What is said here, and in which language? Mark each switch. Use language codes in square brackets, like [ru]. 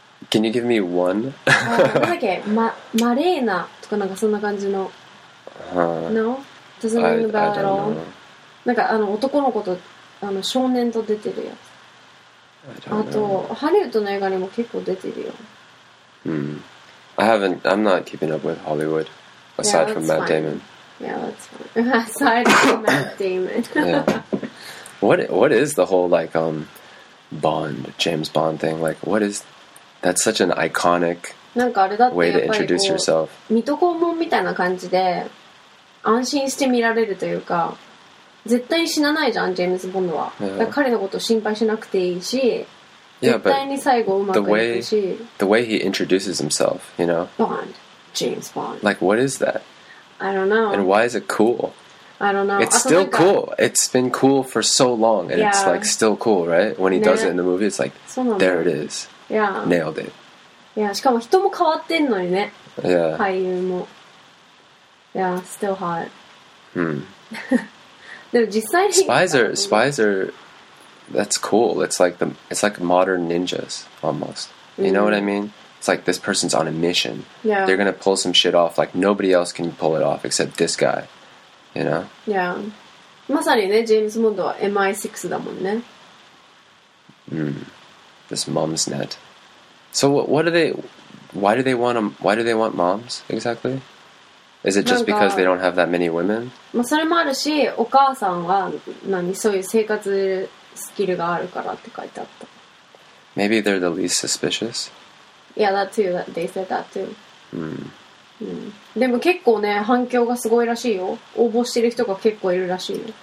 [en] Can you give me one? [ja] なんだっけ、マレーナとかなんかそんな感じの。 Huh. [en] No? Doesn't ring the bell at all? [ja] なんかあの男の子と少年と出てるやつ。あと、ハリウッドの映画にも結構出てるよ。うん。 [en] I'm not keeping up with Hollywood, aside from Matt Damon. Yeah, that's fine. Aside from Matt Damon. Yeah. What is the whole, like, Bond, James Bond thing? Like, what is... That's such an iconic way to introduce yourself. [ja] なんかあれだってやっぱりこう、水戸黄門みたいな感じで、安心して見られるというか、絶対死なないじゃん、ジェームズ・ボンドは。だから彼のこと心配しなくていいし、 [en] Yeah, but the way he introduces himself, you know? Bond. James Bond. Like, what is that? I don't know. And why is it cool? I don't know. It's still cool. It's been cool for so long, and it's, like, still cool, right? When he does it in the movie, it's like, there it is. Yeah. Nailed it. [ja] Yeah, しかも人も変わってんのにね。 [en] Yeah. [ja] 俳優も。 [en] Yeah, still hot. Hmm. [ja] でも実際に… [en] Spies are... That's cool. It's like modern ninjas almost. You mm-hmm. know what I mean? It's like this person's on a mission. Yeah. They're gonna pull some shit off. Like nobody else can pull it off except this guy. You know? Yeah. [ja] まさにね、ジェームズ・ボンドは MI6 だもんね。 [en] Hmm. This mum's net. So what are they? Why do they want them? Why do they want moms exactly? Is it just because they don't have that many women? [ja] まあそれもあるし、お母さんは何そういう生活スキルがあるからって書いてあった。 [en] Maybe they're the least suspicious. Yeah, that too. They said that too. Mm. Mm. [ja] でも結構ね、反響がすごいらしいよ。応募してる人が結構いるらしいよ。